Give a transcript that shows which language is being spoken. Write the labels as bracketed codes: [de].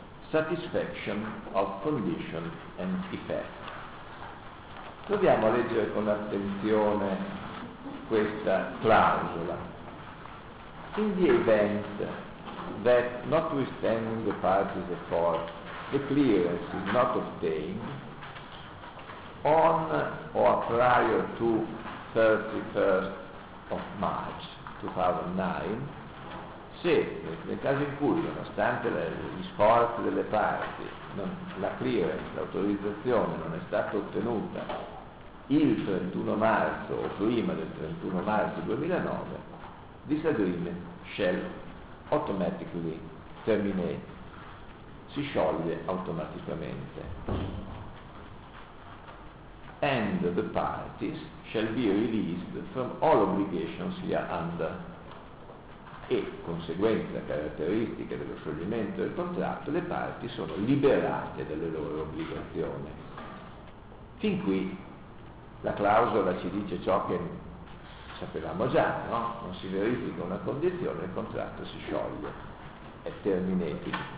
[en] satisfaction of condition and effect. [it] Proviamo a leggere con attenzione questa clausola. [en] In the event that, notwithstanding the party's effort, the clearance is not obtained, on or prior to 31st of March 2009, [it] se nel caso in cui, nonostante gli sforzi delle parti, la clearance, l'autorizzazione non è stata ottenuta il 31 marzo o prima del 31 marzo 2009, [en] this agreement shall automatically terminate, [it] si scioglie automaticamente. [en] And the parties shall be released from all obligations here under. [it] E conseguenza caratteristica dello scioglimento del contratto, le parti sono liberate dalle loro obbligazioni. Fin qui la clausola ci dice ciò che sapevamo già, no? Non si verifica una condizione, il contratto si scioglie, è terminated.